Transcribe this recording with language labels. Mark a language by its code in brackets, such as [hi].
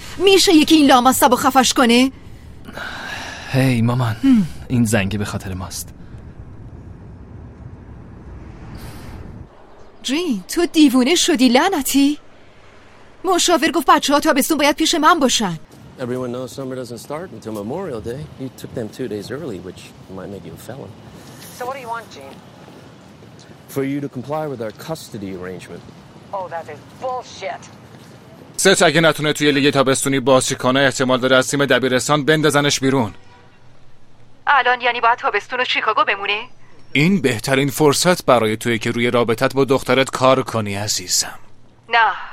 [fa] میشه یکی این لامصب و خفش کنه؟ هی مامان، این زنگه به خاطر ماست. جین، تو دیوونه شدی لعنتی؟ مشاور گفت بچه ها تابستون باید پیش من باشن. [en] Everyone knows summer doesn't start until Memorial Day. You took them 2 days early, which might make you a felon. So what do you want, Gene? For you to comply with our custody arrangement. Oh, that is bullshit. [fa] ست اگه نتونه توی لیگ تابستونی بازی کنه، احتمال داره از تیم دبیرستان بندازنش بیرون. الان یعنی باید تابستون رو شیکاگو بمونه؟ این بهترین فرصت برای توی که روی رابطت با دخترت کار کنی عزیزم. نه،